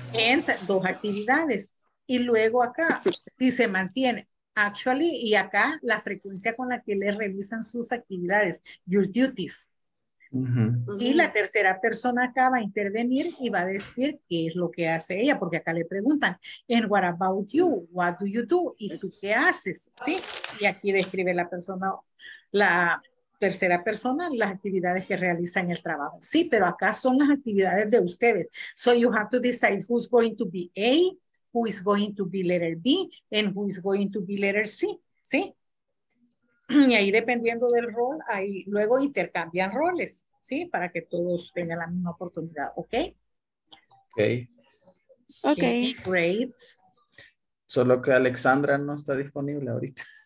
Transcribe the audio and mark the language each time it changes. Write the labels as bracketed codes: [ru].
[es] Entra dos actividades. Y luego acá, si se mantiene. Actually, y acá la frecuencia con la que le revisan sus actividades. [en] Your duties. Uh-huh. [es] Y la tercera persona acá va a intervenir y va a decir qué es lo que hace ella. Porque acá le preguntan, [en] and what about you? [es] What do you do? ¿Y tú qué haces? ¿Sí? Y aquí describe la persona, la... Tercera persona, las actividades que realizan el trabajo. Sí, pero acá son las actividades de ustedes. [en] So you have to decide who's going to be A, who is going to be letter B, and who is going to be letter C. [es] ¿Sí? Y ahí dependiendo del rol, ahí luego intercambian roles, ¿sí? Para que todos tengan la misma oportunidad, ¿ok? Okay. Okay. Great. Solo que Alexandra no está disponible ahorita.